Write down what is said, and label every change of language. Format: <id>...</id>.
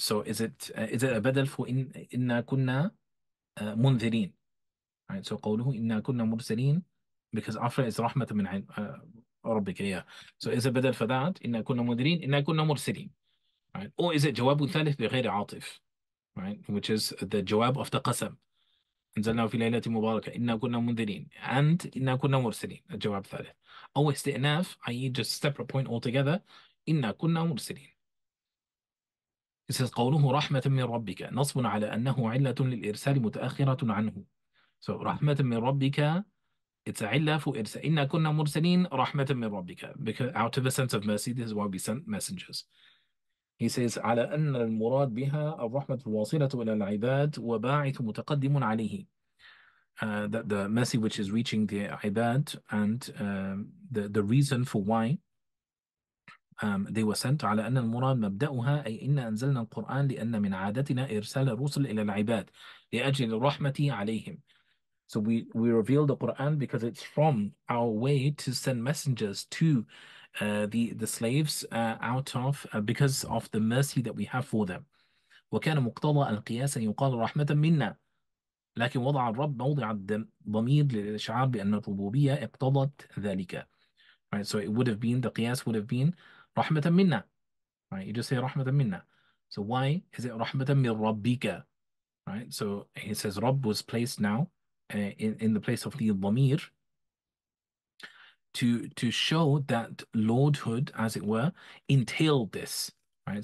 <en>So is it a بدل for</en> <ar>إنا كنا منذرين,</ar> <en>right? So</en> <ar>قوله إنا كنا مرسلين</ar> <en>because after is</en> <ar>رحمة من عند ربك.</ar> <en>Yeah. So is it بدل for that</en> <ar>إنا كنا منذرين إنا كنا مرسلين,</ar> <en>right? Or is it</en> <ar>جواب ثالث بغير عاطف,</ar> <en>right? Which is the جواب of the قسم.</en> <ar>أنزلنا في ليلة مباركة إنا كنا منذرين and إنا كنا مرسلين الجواب الثالث أو استئناف, i.e.</ar> <en>just separate point altogether,</en> <ar>إنا كنا مرسلين.</ar> <en>It says</en> <ar>قوله رحمة من ربك نصب على أنه علة للإرسال متأخرة عنه.</ar> <en>So</en> <ar>رحمة من ربك,</ar> <en>it's a علة for إرسال.</en> <ar>إنا كنا مرسلين رحمة من ربك</ar> <en>because out of a sense of mercy this is why we sent messengers. He says,</en> <ar>على أن المراد بها الرحمة الواصلة إلى العباد وباعث متقدم عليه.</ar> <en>That the mercy which is reaching the عباد and the reason for why they were sent.</en> <ar>على أن المراد مبدأها أي إن أنزلنا القرآن لأن من عادتنا إرسال الرسل إلى العباد لأجل الرحمة عليهم.</ar> <en>So we reveal the Quran because it's from our way to send messengers to the slaves out of because of the mercy that we have for them.</en> <ar>وكان مقتضى القياس أن يقال رحمة منا لكن وضع الرب موضع الضمير للإشعار بأن الربوبية اقتضت ذلك.</ar> <en>Right, so it would have been, the qiyas would have been</en> <ar>رحمة منا.</ar> <en>Right, you just say رحمة منا. So why is it</en> <ar>رحمة من ربك?</ar> <en>Right, so he says رب was placed now in the place of the dhamir to show that lordhood, as it were, entailed this, right?</en>